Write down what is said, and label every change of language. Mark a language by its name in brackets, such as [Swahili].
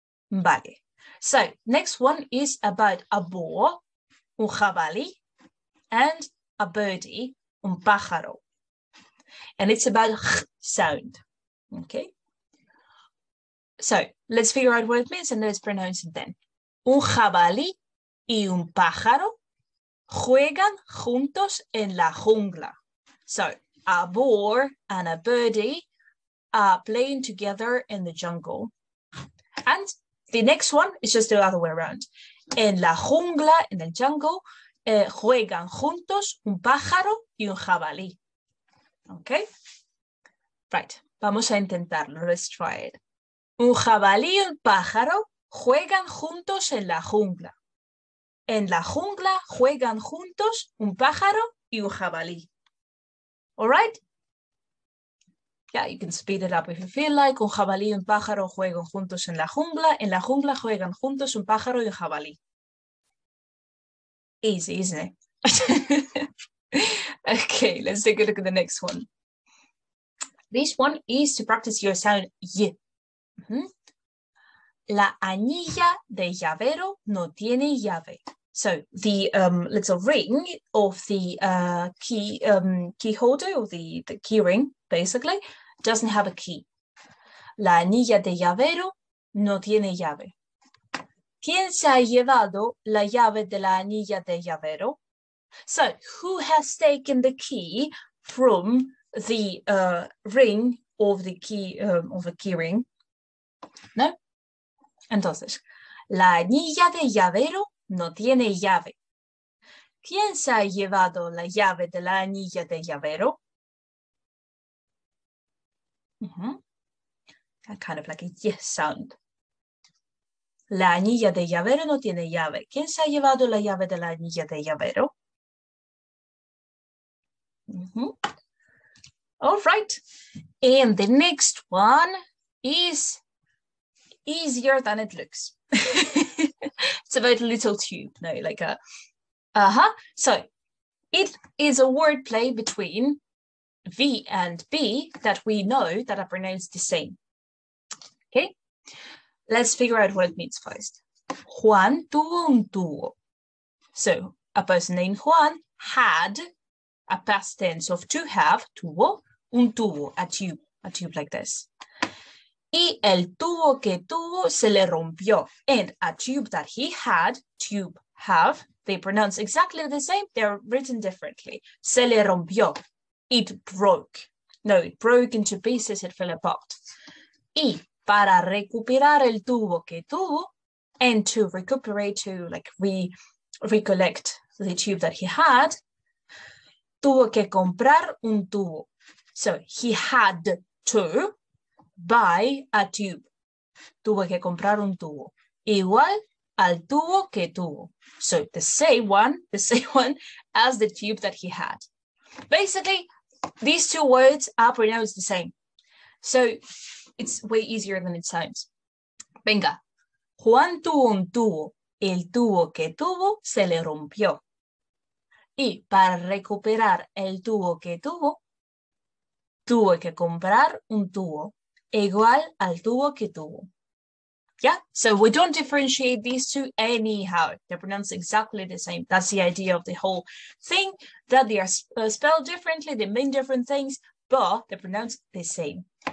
[English] Vale. So, next one is about a boar, [Spanish] un jabalí, [English] and a birdie, [Spanish] un pájaro. [English] And it's about ch sound, okay? So let's figure out what it means and let's pronounce it then. [Spanish] Un jabalí y un pájaro juegan juntos en la jungla. [English] So a boar and a birdie are playing together in the jungle. And the next one is just the other way around. [Spanish] En la jungla, [English] in the jungle, [Spanish] juegan juntos un pájaro y un jabalí. [English] Okay? Right. [Spanish] Vamos a intentarlo. [English] Let's try it. [Spanish] Un jabalí y un pájaro juegan juntos en la jungla. En la jungla juegan juntos un pájaro y un jabalí. [English] All right? Yeah, you can speed it up if you feel like. [Spanish] Un jabalí y un pájaro juegan juntos en la jungla. En la jungla juegan juntos un pájaro y un jabalí. [English] Easy, isn't it? Okay, let's take a look at the next one. This one is to practice your sound Y. Mm-hmm. [Spanish] La anilla de llavero no tiene llave. [English] So the little ring of the key holder, or the key ring, basically, doesn't have a key. [Spanish] La anilla de llavero no tiene llave. ¿Quién se ha llevado la llave de la anilla de llavero? [English] So, who has taken the key from the ring of the key, of a key ring? [Spanish] ¿No? Entonces, la anilla de llavero no tiene llave. ¿Quién se ha llevado la llave de la anilla de llavero? Uh-huh. [English] Kind of like a yes sound. [Spanish] La anilla de llavero no tiene llave. ¿Quién se ha llevado la llave de la anilla de llavero? [English] Mm-hmm. All right. And the next one is easier than it looks. It's about a little tube. No, like a... Uh-huh. So it is a wordplay between V and B that we know that are pronounced the same. Okay. Let's figure out what it means first. [Spanish] Juan tuvo un tubo. [English] So a person named Juan had a past tense of to have, [Spanish] tuvo, un tubo, [English] a tube like this. [Spanish] Y el tubo que tuvo se le rompió. [English] And a tube that he had, tube, have, they pronounce exactly the same, they're written differently. [Spanish] Se le rompió. [English] It broke. No, it broke into pieces, it fell apart. [Spanish] Y para recuperar el tubo que tuvo, [English] and to recuperate, to like recollect the tube that he had, [Spanish] tuvo que comprar un tubo. [English] So he had to buy a tube. [Spanish] Tuvo que comprar un tubo. Igual al tubo que tuvo. [English] So the same one as the tube that he had. Basically, these two words are pronounced the same. So it's way easier than it sounds. [Spanish] Venga. Juan tuvo un tubo. El tubo que tuvo se le rompió. Y para recuperar el tubo que tuvo, tuve que comprar un tubo igual al tubo que tuvo. [English] Yeah, so we don't differentiate these two anyhow. They're pronounced exactly the same. That's the idea of the whole thing, that they are spelled differently, they mean different things, but they're pronounced the same.